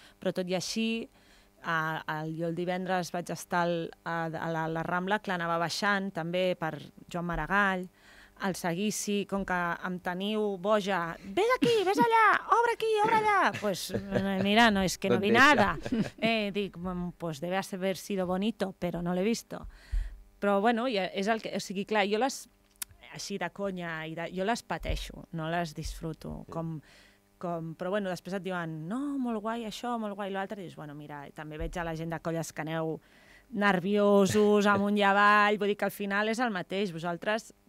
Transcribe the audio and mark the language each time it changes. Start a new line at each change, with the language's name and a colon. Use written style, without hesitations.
Catalan: Però tot i així, jo el divendres vaig estar a la Rambla, clar, anava baixant també per Joan Maragall, el Seguici, com que em teniu boja, vés aquí, vés allà, obre aquí, obre allà, doncs pues, mira, no és que no
Spanish: vi nada.
Catalan: Dic,
Spanish: pues debe haber sido bonito, pero no l'he visto.
Catalan: Però bueno, és el que, o sigui, clar, jo les... així de conya, i de... jo les pateixo, no les disfruto, com... però bueno, després et diuen no, molt guai això, molt guai l'altre, i dius, bueno, mira, també veig a la gent de colles que aneu nerviosos, amunt i avall, vull dir que al final és el mateix, vosaltres